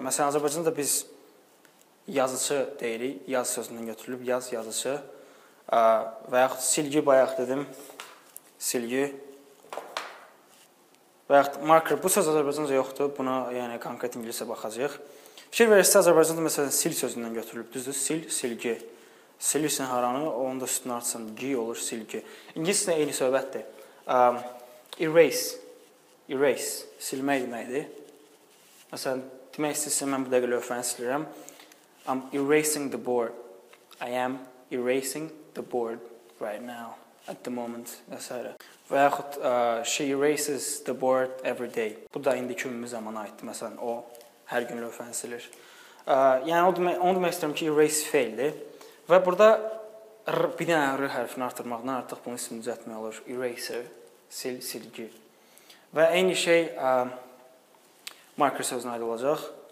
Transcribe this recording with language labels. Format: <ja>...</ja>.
<az>Məsələn Azərbaycanda biz yazıcı deyirik, yaz sözündən götürülüb yaz yazıcı. Və yaxud silgi bayaq dedim. Silgi. Və yaxud marker bu söz Azərbaycanca yoxdur. Buna yəni konkret ingiliscə baxacağıq. Fikir verirsiniz, Azərbaycanda məsələn sil sözündən götürülüb, düzdür, sil, silgi. Silirsin haranı, onun da üstünün artısın, gi olur, silgi. İngilizcə eyni söhbətdir. Erase, erase, silmək deməkdir. Məsələn, demək istəyirsən, mən bu dəqiqə löfəni silirəm.</az> <en>I'm erasing the board. I am erasing the board right now, at the moment,</en> <az>və s. Və yaxud,</az> <en>she erases the board every day.</en> <az>Bu da indiki ümumi zamana aiddir, məsələn, o. Hər gün löfəni silir. Yəni, onu demək istəyirəm ki, erase faildir. Və burada bir dənə R hərfini artırmaqdan artıq bunu isim düzətmək olur. Eraser, sil, silgi. Və eyni şey marker sözünə aid olacaq.</az>